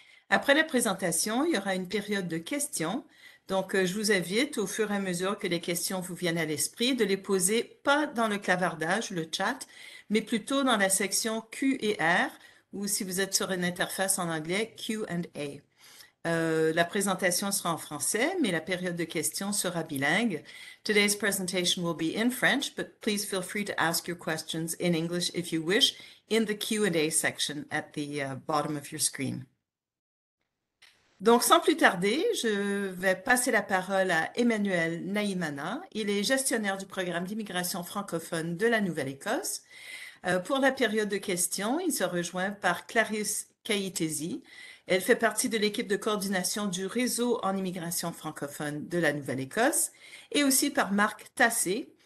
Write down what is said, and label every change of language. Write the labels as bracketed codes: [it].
[fr] Après la présentation, il y aura une période de questions. Je vous invite, au fur et à mesure que les questions vous viennent à l'esprit, de les poser pas dans le clavardage, le chat, mais plutôt dans la section Q et R, ou si vous êtes sur une interface en anglais, Q&A. La présentation sera en français, mais la période de questions sera bilingue. [en] Today's presentation will be in French, but please feel free to ask your questions in English if you wish in the Q&A section at the bottom of your screen. [fr] Sans plus tarder, je vais passer la parole à Emmanuel Naïmana. Il est gestionnaire du programme d'immigration francophone de la Nouvelle-Écosse. Pour la période de questions, il se rejoint par Clarisse Kayitesi. Elle fait partie de l'équipe de coordination du réseau en immigration francophone de la Nouvelle-Écosse et aussi par Marc Tassé.